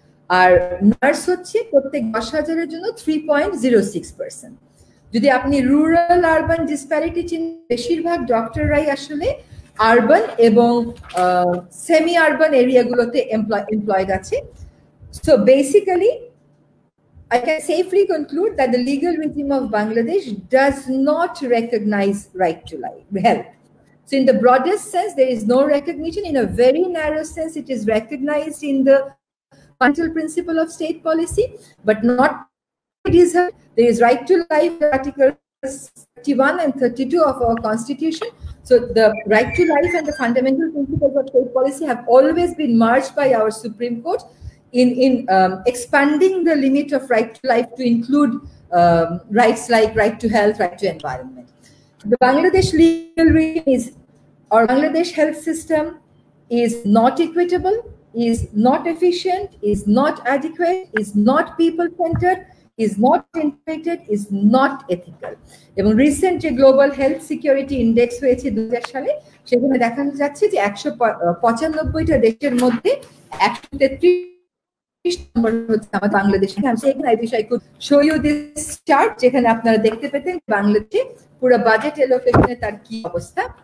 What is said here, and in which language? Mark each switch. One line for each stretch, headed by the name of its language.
Bangla: আর nurse হচ্ছে প্রত্যেক 10,000-এর জন্য 3.06% যদি আপনি রুরাল আরবান ডিসপ্যারিটি চিন বেশিরভাগ ডক্টররাই আসলে আরবান এবং সেমি আরবান এরিয়াগুলোতে এমপ্লয়েড আছে so basically
English: I can safely conclude that the legal regime of Bangladesh does not recognize right to life health So in the broadest sense, there is no recognition. In a very narrow sense, it is recognized in the fundamental principle of state policy, but not deserved. There is right to life, Articles 31 and 32 of our constitution. So the right to life and the fundamental principles of state policy have always been merged by our Supreme Court in expanding the limit of right to life to include rights like right to health, right to environment. The Bangladesh legal regime is, or Bangladesh health system is not equitable, is not efficient, is not adequate, is not people-centered, is not integrated, is not ethical.
Bangla: এবং recent যে global health security index হয়েছে 2000 সালে সেখানে দেখানো যাচ্ছে যে 195টা দেশের মধ্যে 133 নম্বর হচ্ছে আমাদের বাংলাদেশ আমি সেখানে
English: I wish I could show you this chart
Bangla: যেখানে আপনারা দেখতে পেতেন বাংলাদেশে পুরো বাজেট এলো এখানে তার কি অবস্থা